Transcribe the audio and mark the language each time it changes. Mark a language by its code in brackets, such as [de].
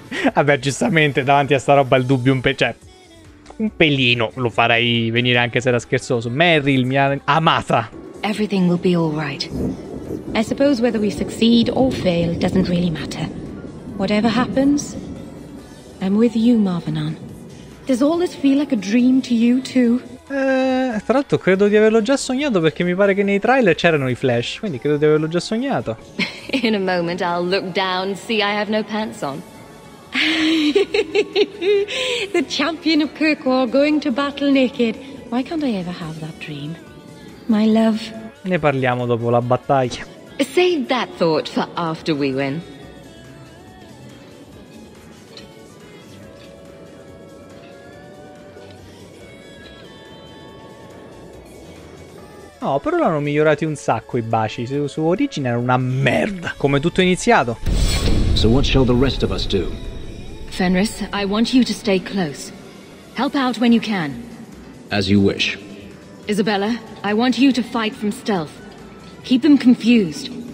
[it] Vabbè, giustamente, davanti a sta roba il dubbio un pe'. Cioè, un pelino lo farei venire anche se era scherzoso. Meryl, mia amata. [en] Everything will be all right. I suppose whether we succeed or fail doesn't really matter. Whatever happens, I'm with you, Marvanan. Does all this feel like a dream to you too? [it] Tra l'altro credo di averlo già sognato perché mi pare che nei trailer c'erano i flash, quindi credo di averlo già sognato. [en] In a moment I'll look down, see I have no pants on. The champion of Kirkwall going to battle naked. Why can't I ever have that dream? My love. [it] Ne parliamo dopo la battaglia. [en] Save that thought for after we win. [it] No, però l'hanno migliorati un sacco i baci. Su origine era una merda. Come tutto è iniziato. [en] So what shall the rest of us do? Fenris, I want you to stay close. Help out when you can. As you wish. Isabella, I want you to fight from stealth. Keep them confused.